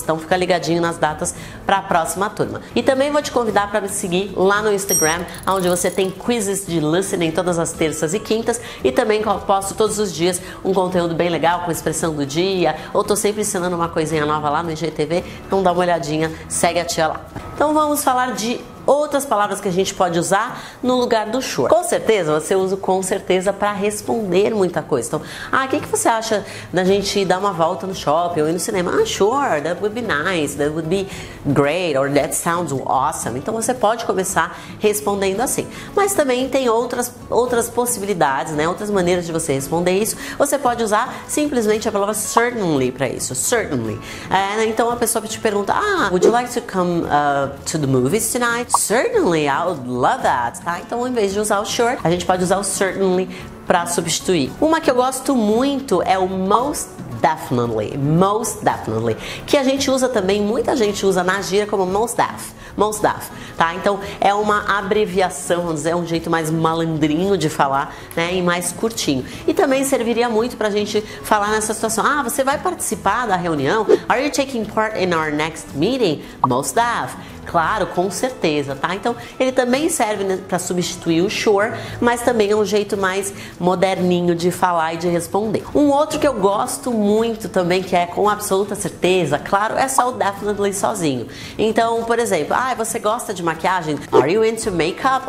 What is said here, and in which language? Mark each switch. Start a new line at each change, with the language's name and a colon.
Portuguese: Então fica ligadinho nas datas para a próxima turma. E também vou te convidar para me seguir lá no Instagram, onde você tem quizzes de listening todas as terças e quintas, e também posto todos os dias um conteúdo bem legal com expressão do dia, ou tô sempre ensinando uma coisinha nova lá no IGTV, então dá uma olhadinha, segue a tia lá. Então vamos falar de outras palavras que a gente pode usar no lugar do sure. Com certeza, você usa o com certeza para responder muita coisa. Então, o que você acha da gente dar uma volta no shopping ou ir no cinema?
English: Ah, sure, that would be nice, that would be great, or that sounds awesome.
Portuguese: Então você pode começar respondendo assim. Mas também tem outras possibilidades, né? Outras maneiras de você responder isso. Você pode usar simplesmente a palavra certainly para isso.
English: Certainly.
Portuguese: É, então a pessoa te pergunta,
English: would you like to come to the movies tonight? Certainly, I would love that, tá?
Portuguese: Então, em vez de usar o sure, a gente pode usar o certainly para substituir. Uma que eu gosto muito é o most definitely, que a gente usa também, muita gente usa na gíria como most def, tá? Então, é uma abreviação, vamos dizer, é um jeito mais malandrinho de falar, né, e mais curtinho. E também serviria muito pra gente falar nessa situação, você vai participar da reunião?
English: Are you taking part in our next meeting? Most def.
Portuguese: Claro, com certeza, tá? Então, ele também serve para substituir o sure, mas também é um jeito mais moderninho de falar e de responder. Um outro que eu gosto muito também, que é com absoluta certeza, claro, é só o definitely sozinho. Então, por exemplo, você gosta de maquiagem?
English: Are you into makeup?